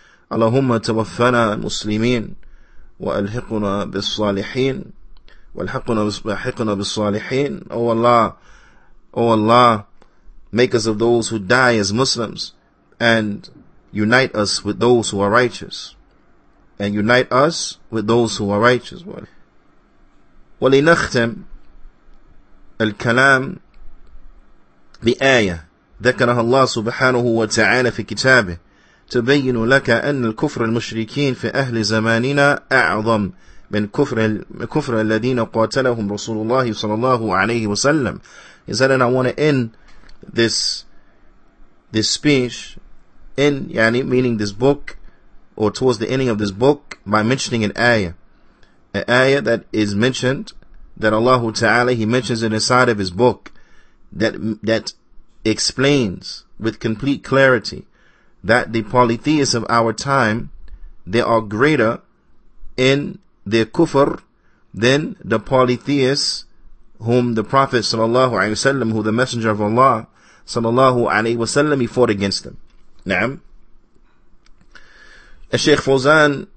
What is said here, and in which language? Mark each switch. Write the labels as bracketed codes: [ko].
[en] اللَّهُمَّ تَوَفَّنَا مُسْلِمِينَ وَأَلْحِقُنَا بِالصَّالِحِينَ وَأَلْحِقُنَا بِالصَّالِحِينَ O Allah, make us of those who die as Muslims and unite us with those who are righteous. And unite us with those who are righteous. [ar] ولنختم الكلام بآية ذكرها الله سبحانه وتعالى في كتابه تبين لك أن الكفر المشركين في أهل زماننا أعظم من كفر الذين قاتلهم رسول الله صلى الله عليه وسلم. [en] He said, and I want to end this speech in, يعني, meaning this book, or towards the ending of this book, by mentioning an ayah that is mentioned, that Allah Ta'ala, He mentions it inside of His book, that explains with complete clarity that the polytheists of our time, they are greater in their kufr than the polytheists whom the Prophet Sallallahu Alaihi Wasallam, who the Messenger of Allah Sallallahu Alaihi Wasallam, He fought against them. Naam. الشيخ فوزان